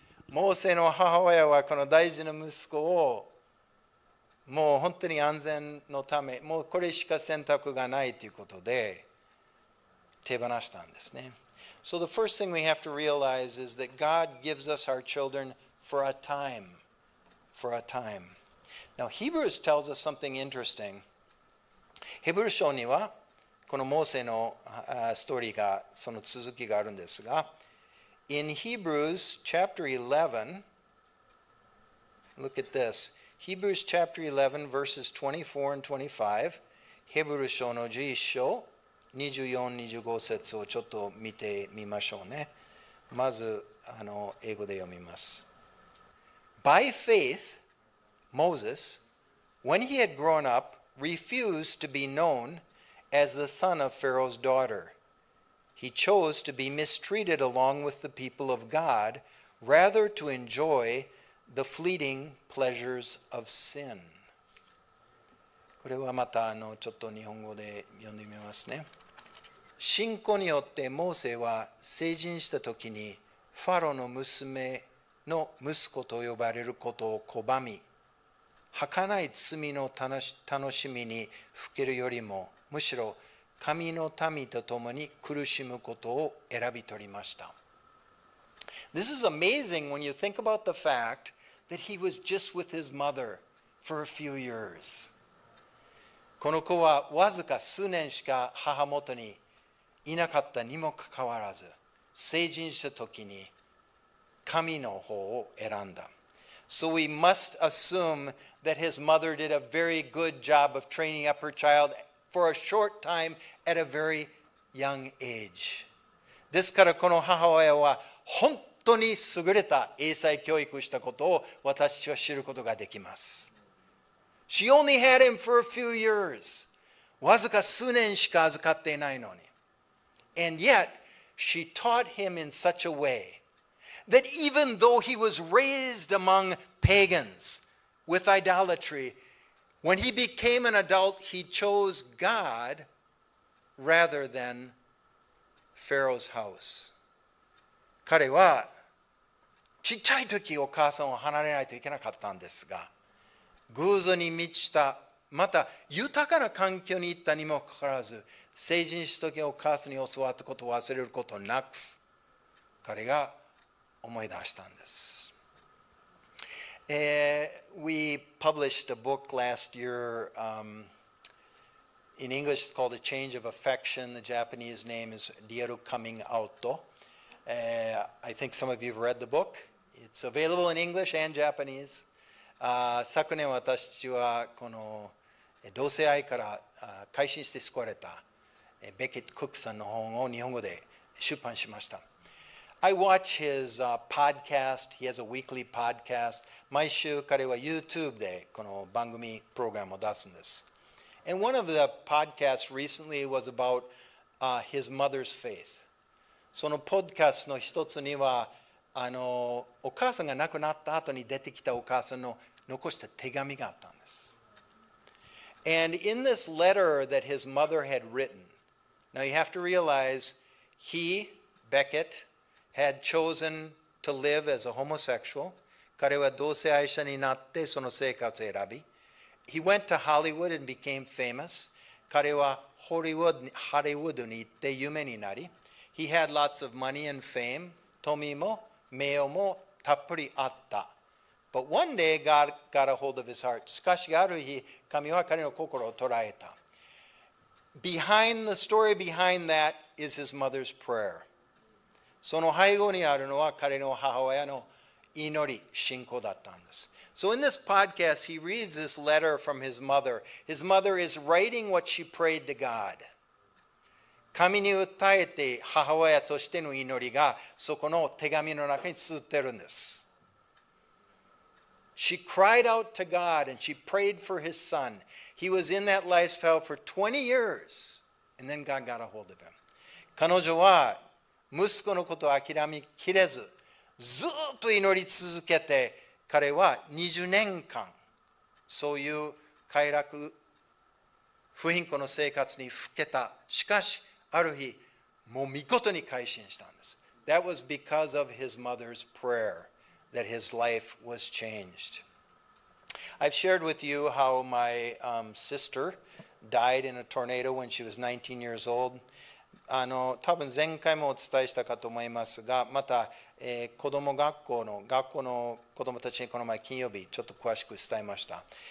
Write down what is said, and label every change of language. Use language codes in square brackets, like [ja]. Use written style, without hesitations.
[ja] モーセの母親はこの大事な息子をもう本当に安全のため、もうこれしか選択がないということで手放したんですね。 [en] So the first thing we have to realize is that God gives us our children for a time. For a time. Now Hebrews tells us something interesting. [ja] ヘブル書にはこのモーセのストーリーがその続きがあるんですが、 [en] In Hebrews chapter 11, look at this. Hebrews chapter 11, verses 24 and 25. [ja] Hebrews 書の11章、24、25節をちょっと見てみましょうね。まず、英語で読みます。 [en] By faith, Moses, when he had grown up, refused to be known as the son of Pharaoh's daughter. He chose to be mistreated along with the people of God, rather to enjoy the fleeting pleasures of sin. [ja] これはまたちょっと日本語で読んでみますね。信仰によってモーセは成人した時にファロの娘の息子と呼ばれることを拒み、儚い罪の楽しみにふけるよりもむしろ神の民と共に苦しむことを選び取りました。 [en] This is amazing when you think about the fact that he was just with his mother for a few years. [ja] この子はわずか数年しか母元にいなかったにもかかわらず、成人したときに神の方を選んだ。 [en] So we must assume that his mother did a very good job of training up her child. For a short time at a very young age. [ja] ですからこの母親は本当に優れた英才教育したことを私は知ることができます。 [en] She only had him for a few years. [ja] わずか数年しか預かっていないのに。 [en] And yet, she taught him in such a way that even though he was raised among pagans with idolatry,When he became an adult, he chose God rather than Pharaoh's house. [ja] 彼はちっちゃい時お母さんを離れないといけなかったんですが、偶像に満ちた、また豊かな環境に行ったにもかかわらず、成人した時お母さんに教わったことを忘れることなく、彼が思い出したんです。 [en] We published a book last year in English. It's called A Change of Affection. The Japanese name is Rieru Coming Outo. I think some of you have read the book. It's available in English and Japanese. [ja] 昨年私はこの同性愛から改心して救われたベケット・クックさんの本を日本語で出版しました。 [en] I watch his podcast. He has a weekly podcast. [ja] 毎週彼は YouTube でこの番組プログラムを出すんです。 [en] And one of the podcasts recently was about his mother's faith. [ja] そのポッドキャストの一つにはお母さんが亡くなった後に出てきたお母さんの残した手紙があったんです。 [en] And in this letter that his mother had written, now you have to realize he, Beckett,had chosen to live as a homosexual. [ja] 彼は同性愛者になってその生活を選び。 [en] He went to Hollywood and became famous. [ja] 彼はハリウッドに行って有名になり。 [en] He had lots of money and fame. [ja] 富も名誉もたっぷりあった。 [en] But one day God got a hold of his heart. [ja] しかしある日、神は彼の心を捉えた。 [en] Behind the story behind that is his mother's prayer. [ja] その背後にあるのは彼の母親の祈り、信仰だったんです。 [en] So in this podcast, he reads this letter from his mother. His mother is writing what she prayed to God. [ja] 神に訴えて母親としての祈りがそこの手紙の中に綴ってるんです。 [en] She cried out to God and she prayed for his son. He was in that lifestyle for 20 years. And then God got a hold of him. [ja] 彼女は息子のことを諦めきれず、ずっと祈り続けて、彼は20年間、そういう快楽、不貧困の生活にふけた。しかし、ある日、もう見事に改心したんです。 [en] That was because of his mother's prayer. That his life was changed. I've shared with you how my sister died in a tornado when she was 19 years old. [ja] あの、多分前回もお伝えしたかと思いますが、また、子供学校の学校の子供たちにこの前金曜日ちょっと詳しく伝えました。